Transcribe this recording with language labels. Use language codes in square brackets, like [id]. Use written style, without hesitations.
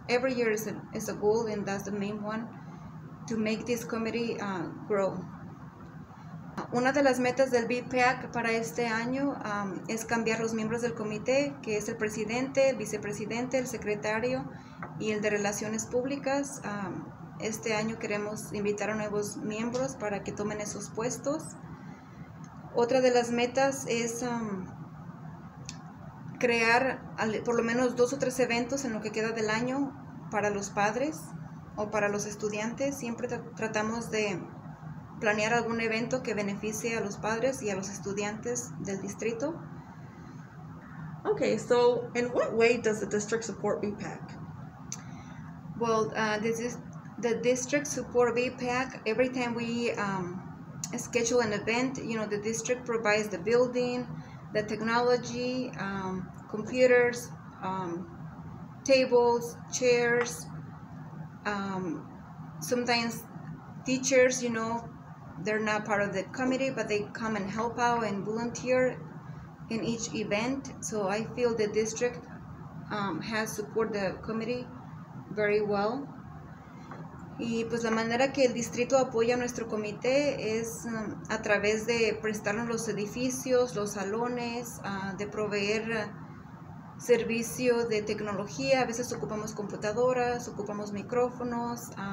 [en] Every year is a goal, and that's the main one, to make this committee grow. [es] Una de las metas del BPAC para este año es cambiar los miembros del comité, que es el presidente, el vicepresidente, el secretario y el de relaciones públicas. Este año queremos invitar a nuevos miembros para que tomen esos puestos. Otra de las metas es crear por lo menos dos o tres eventos en lo que queda del año para los padres o para los estudiantes. Siempre tratamos de planear algún evento que beneficie a los padres y a los estudiantes del distrito. [en] Okay, so in what way does the district support BPAC? Well, this is the district support BPAC. Every time we schedule an event, you know, the district provides the building, the technology, computers, tables, chairs, sometimes teachers, you know, they're not part of the committee, but they come and help out and volunteer in each event. So I feel the district has supported the committee very well. [es] Y pues la manera que el distrito apoya a nuestro comité es a través de prestarnos los edificios, los salones, de proveer servicio de tecnología. A veces ocupamos computadoras, ocupamos micrófonos.